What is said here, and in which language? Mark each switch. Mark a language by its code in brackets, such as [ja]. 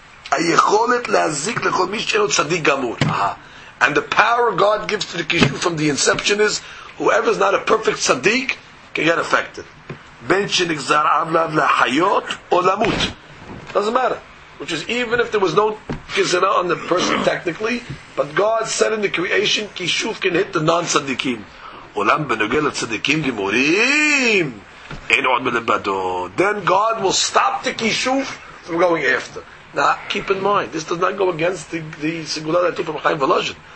[he] היכולת להזיק לכל מי שאינו צדיק גמור. [en] And the power God gives to the kishuf from the inception is whoever is not a perfect צדיק can get affected. [he] בין שנגזר עליו לחיות או למות. [en] Doesn't matter. Which is even if there was no gezerah on the person technically, but God said in the creation kishuf can hit the non-צדיקים. [he] עולם בנוגע לצדיקים גמורים אין עוד מלבדו. [en] Then God will stop the kishuf from going after. Now, keep in mind, this does not go against the Segula that took from Chaim Volozhin.